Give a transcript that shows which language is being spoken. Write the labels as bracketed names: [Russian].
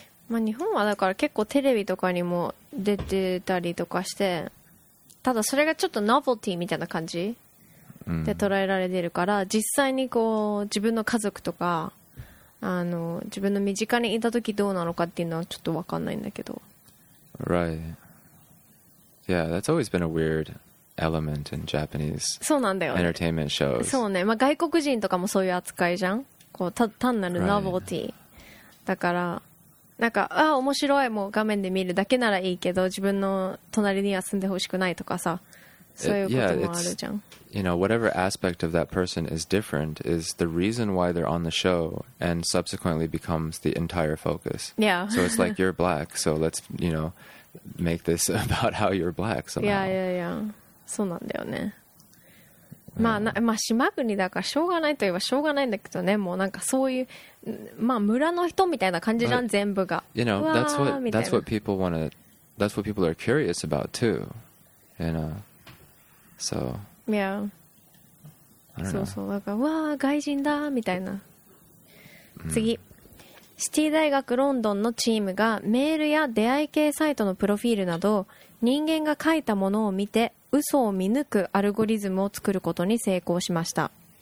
[Japanese] まあ、日本はだから結構テレビとかにも出てたりとかして、ただそれがちょっとノベルティみたいな感じで捉えられてるから、実際にこう自分の家族とか、あの自分の身近にいた時どうなのかっていうのはちょっと分かんないんだけど。 [English] Right. Yeah, that's always been a weird element in Japanese. [Japanese] そうなんだよ、ね、 [English] entertainment shows. [Japanese] そうね、まあ、外国人とかもそういう扱いじゃん、こう単なるノベルティ、right. だからなんか、あ、面白い、もう画面で見るだけならいいけど、自分の隣には住んでほしくないとかさ、そういうこともあるじゃん。 [English] You know, whatever aspect of that person is different is the reason why they're on the show and subsequently becomes the entire focus. Yeah. So it's like, you're black, so let's, you know, make this about how you're black somehow. Yeah, yeah, yeah. [Japanese] そうなんだよね。まあ、まあ島国だからしょうがないといえばしょうがないんだけどね、もうなんかそういう、まあ村の人みたいな感じじゃん、 [English] But, [Japanese] 全部が。 [English] You know, that's what people are curious about too. You know, so. Yeah. [Japanese] そうそう、だからうわー外人だーみたいな。次。シティ大学ロンドンのチームがメールや出会い系サイトのプロフィールなど人間が書いたものを見て嘘を見抜くアルゴリズムを作ることに成功しました。